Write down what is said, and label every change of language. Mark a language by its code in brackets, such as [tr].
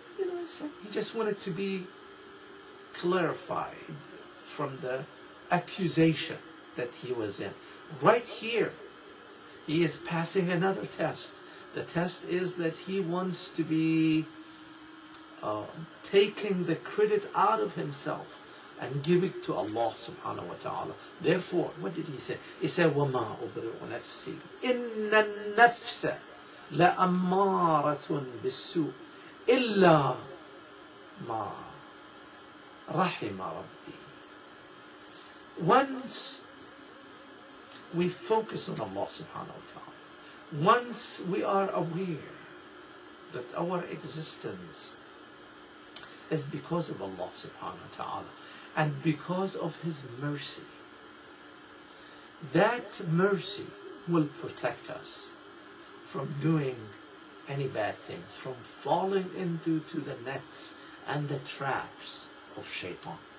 [en] You know what I'm saying? He just wanted to be clarified from the accusation that he was in. Right here, he is passing another test. The test is that he wants to be taking the credit out of himself and give it to Allah subhanahu wa ta'ala. Therefore, what did he say? He said, [ar] وَمَا أُبْرِعُ نَفْسِي إِنَّ النَّفْسَ لَأَمَّارَةٌ بِالسُّوءِ إِلَّا مَا رَحِمَ رَبِّي. [en] Once we focus on Allah subhanahu wa ta'ala, once we are aware that our existence is because of Allah subhanahu wa ta'ala, and because of His mercy, that mercy will protect us from doing any bad things, from falling into the nets and the traps of shaitan.